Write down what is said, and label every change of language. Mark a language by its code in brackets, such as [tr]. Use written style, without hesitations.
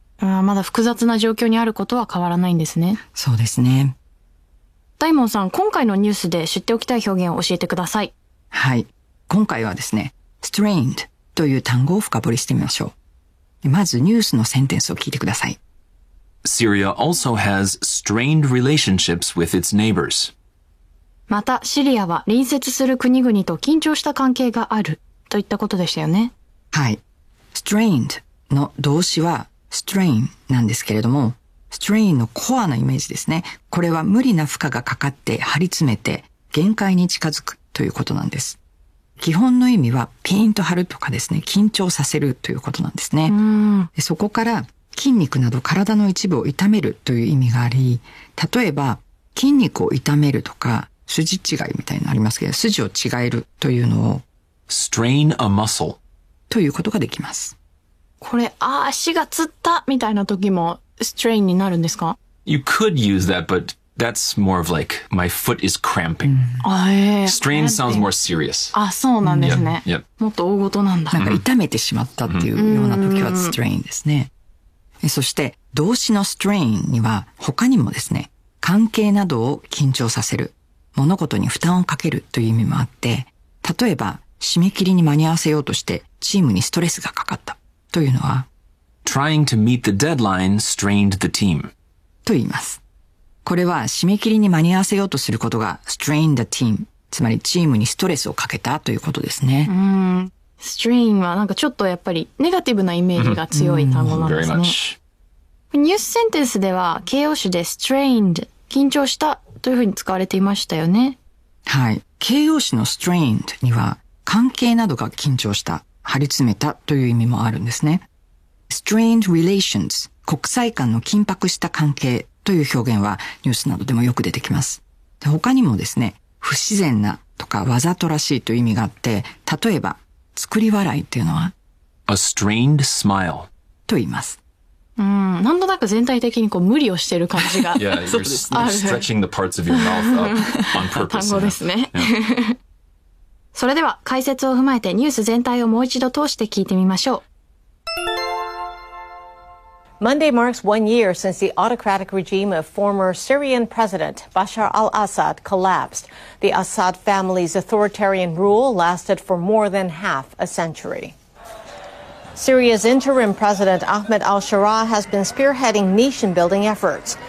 [ja] まだ複雑な状況にあることは変わらないんですね。そうですね。ダイモンさん、今回のニュースで知っておきたい表現を教えてください。はい。今回はですね、strained という単語を深掘りしてみましょう。まずニュースのセンテンスを聞いてください。 [en] Syria also has strained relationships with its neighbors. [ja] また、シリアは隣接する国々と緊張した関係があるといったことでしたよね。はい。 strained の動詞は strain なんですけれども、strain のコアのイメージですね。これは無理な負荷がかかって張り詰めて限界に近づくということなんです。基本の意味はピーンと張るとかですね、緊張させるということなんですね。そこから筋肉など体の一部を痛めるという意味があり、例えば筋肉を痛めるとか筋違いみたいなのありますけど、筋を違えるというのを [en] strain a muscle [ja] ということができます。これ、ああ、足がつったみたいな時も strain になるんですか？ [en] You could use that, but that's more of like, my foot is cramping. Strain sounds more serious. [ja] あ、そうなんですね。 [en] Yep, yep. [ja] もっと大ごとなんだ。なんか痛めてしまったっていうような時は strain ですね。そして、動詞の strain には他にもですね、関係などを緊張させる、物事に負担をかけるという意味もあって、例えば、締め切りに間に合わせようとしてチームにストレスがかかったというのは [en] Trying to meet the deadline strained the team [ja] と言います。これは締め切りに間に合わせようとすることが [en] strain the team、 [ja] つまりチームにストレスをかけたということですね。 strain はなんかちょっとやっぱりネガティブなイメージが強い単語なんですね。ニュースセンテンスでは形容詞で strained、 緊張したというふうに使われていましたよね。はい、形容詞の strained には関係などが緊張した、張り詰めたという意味もあるんですね。 [en] Strained relations、 [ja] 国際間の緊迫した関係という表現はニュースなどでもよく出てきます。で、他にもですね、不自然なとかわざとらしいという意味があって、例えば作り笑いというのは [en] A strained smile [ja] と言います。なんとなく全体的にこう無理をしている感じが [en] Yeah, you're stretching the parts of your mouth up on purpose. [ja] 単語ですね。それでは解説を踏まえてニュース全体をもう一度通して聞いてみましょう。 [en] Monday marks one year since the autocratic regime of former Syrian president Bashar al-Assad collapsed. The Assad family's authoritarian rule lasted for more than half a century. Syria's interim president Ahmed al-Shara has been spearheading nation-building efforts.